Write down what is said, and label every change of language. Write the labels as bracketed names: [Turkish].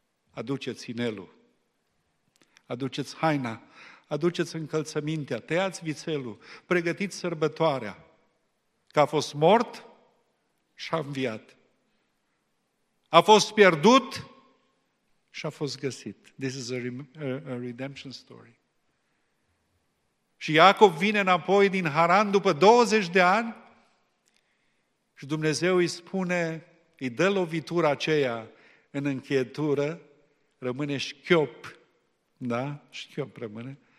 [Romanian] Aduceți inelul, aduceți haina, aduceți încălțămintea, tăiați vițelul, pregătiți sărbătoarea, că a fost mort și a înviat. A fost pierdut și a fost găsit. [English] This is a redemption story. [Romanian] Și Iacov vine înapoi din Haran după 20 de ani și Dumnezeu îi spune, îi dă lovitura aceea în încheietură, rămâne șchiop, da? Șchiop rămâne.